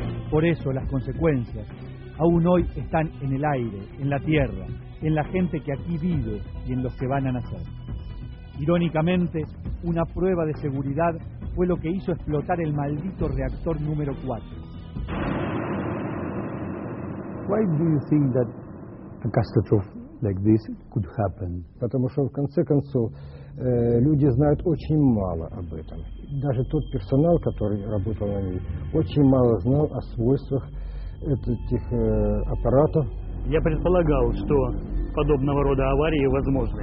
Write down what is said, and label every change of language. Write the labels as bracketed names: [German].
[Spanish] Por eso las consecuencias, aún hoy, están en el aire, en la tierra, en la gente que aquí vive y en los que van a nacer. Irónicamente, una prueba de seguridad fue lo que hizo explotar el maldito reactor número 4. [English] Why do you think that a catastrophe like this could happen? [Russian] Потому что в конце концов люди знают очень мало об этом. Даже тот персонал, который работал на ней, очень мало знал о свойствах этих аппаратов. Я предполагал, что подобного рода аварии возможны.